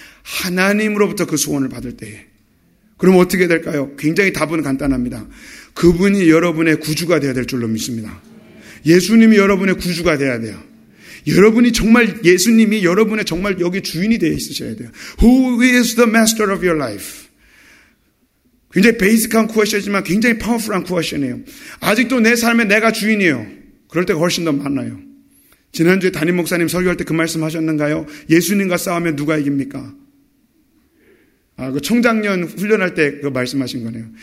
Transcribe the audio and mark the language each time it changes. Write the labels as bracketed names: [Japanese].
[Korean] 하나님으로부터 그 소원을 받을 때에. 그럼 어떻게 될까요? 굉장히 답은 간단합니다. 그분이 여러분의 구주가 되어야 될 줄로 믿습니다. 예수님이 여러분의 구주가 되어야 돼요. 여러분이 정말 예수님이 여러분의 정말 여기 주인이 되어 있으셔야 돼요. [English] Who is the master of your life? [Korean] 굉장히 베이직한 question이지만 굉장히 파워풀한 question이에요. 아직도 내 삶에 내가 주인이에요. 그럴 때가 훨씬 더 많아요. 지난주에 담임 목사님 설교할 때 그 말씀 하셨는가요? 예수님과 싸우면 누가 이깁니까? 아, 그 청장년 훈련할 때 그 말씀하신 거네요.